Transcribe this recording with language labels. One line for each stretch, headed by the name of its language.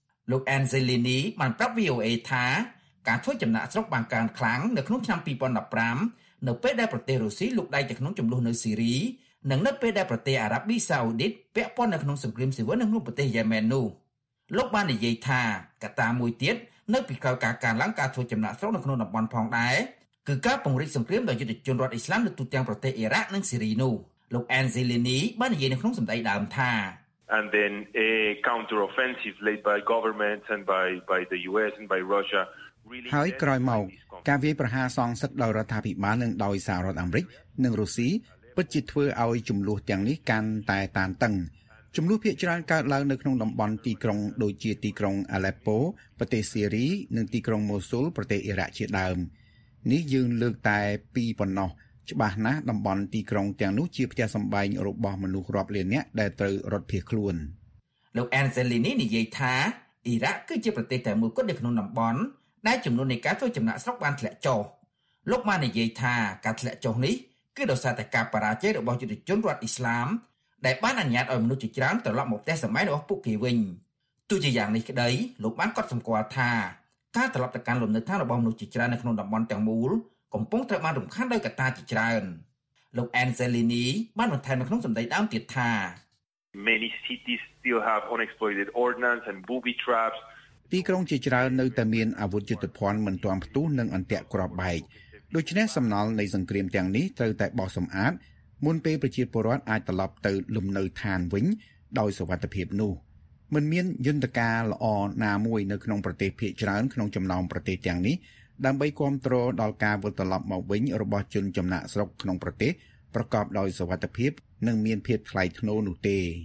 Khmer: លោក Anzelini បានប្រាប់ VOA ថាការធ្វើចំណាក់ស្រុកបានកើនខ្លាំងនៅក្នុងឆ្នាំ2015នៅពេលដែលប្រទេសរុស្ស៊ីលុកដៃទៅក្នុងចំនួននៅស៊ីរីនិងនៅពេលដែលប្រទេសអារ៉ាប៊ីសាអូឌីតពាក់ព័ន្ធនៅក្នុងសង្គ្រាមស៊ីវិលនៅក្នុងប្រទេសយេម៉ែននោះលោកបាននិយាយថាកត្តាមួយទៀតនៅពីក្រោយការកើនឡើងការធ្វើចំណាក់ស្រុកនៅក្នុងតំបន់ផងដែរគឺការពង្រីកសង្គ្រាមដោយយុទ្ធជនរដ្ឋអ៊ីស្លាមនៅទូទាំងប្រទេសអ៊ីរ៉ាក់និងស៊ីរីនោះលោកអែនស៊ីលីនីបាននិយាយនៅក្នុងសម្ដីដើមថា
English: And then a counter offensive led by governments and by the US and by Russia
Khmer: ហើយក្រោយមកការវាយប្រហារសងសឹកដោយរដ្ឋាភិបាលនិងដោយសហរដ្ឋអាមេរិកនិងរុស្ស៊ីពិតជាធ្វើឲ្យចំនួនទាំងនេះកាន់តែតានតឹងចំនួនភ្នាក់ងារកើតឡើងនៅក្នុងតំបន់ទីក្រុងដូចជាទីក្រុងអាឡេប៉ូប្រទេសស៊ីរីនិងទីក្រុងម៉ូស៊ូលប្រទេសអ៊ីរ៉ាក់ជាដើមនេះយើងលើកតែពីប៉ុណ្ណោះច្បាស់ណាស់តំបន់ទីក្រុងទាំងនោះជាផ្ទះសម្បែងរបស់មនុស្សរាប់លាននាក់ដែលត្រូវរត់ភៀសខ្លួន លោកអែនសេលីនីនិយាយថាអ៊ីរ៉ាក់គឺជាប្រទេសតែមួយគត់នៅក្នុងតំបន់ដែលចំនួននៃការធ្វើចំណាក់ស្រុកបានធ្លាក់ចុះលោកបាននិយាយថាការធ្លាក់ចុះនេះគឺដោយសារតែការបរាជ័យរបស់យុទ្ធជនរដ្ឋអ៊ីស្លាមដែលបានអនុញ្ញាតឲ្យមនុស្សជាច្រើនត្រឡប់មកផ្ទះសម្បែងរបស់ពួកគេវិញទោះជាយ៉ាងនេះក្តីលោកបានកត់សម្គាល់ថាការត្រឡប់ទៅកាន់លំនៅឋានរបស់មនុស្សជាច្រើននៅក្នុងតំបន់ទាំងមូលកំពុងត្រូវបានរំខានដោយកត្តាជាច្រើនលោកអែនសេលីនីបានបន្ថែមនៅក្នុងសម្ដីដើមទៀតថា
English: Many cities still have unexploded ordnance and booby traps
Khmer: ទីក្រុងជាច្រើននៅតែមានអាវុធយុទ្ធភណ្ឌមិនទាន់ផ្ទុះនិងអន្តរក្របបែកដូច្នេះសំណល់នៃសង្គ្រាមទាំងនេះត្រូវតែបោះសម្អាតមុនពេលប្រជាពលរដ្ឋអាចត្រឡប់ទៅលំនៅឋានវិញដោយសុវត្ថិភាពនោះមិនមានយន្តការល្អណាមួយនៅក្នុងប្រទេសភាគច្រើនក្នុងចំណោមប្រទេសទាំងនេះដើម្បីគ្រប់គ្រងដល់ការវិលត្រឡប់មកវិញរបស់ជនចំណាក់ស្រុកក្នុងប្រទេសប្រកបដោយសុវត្ថិភាពនិងមានភាពថ្លៃថ្នូរនោះទេ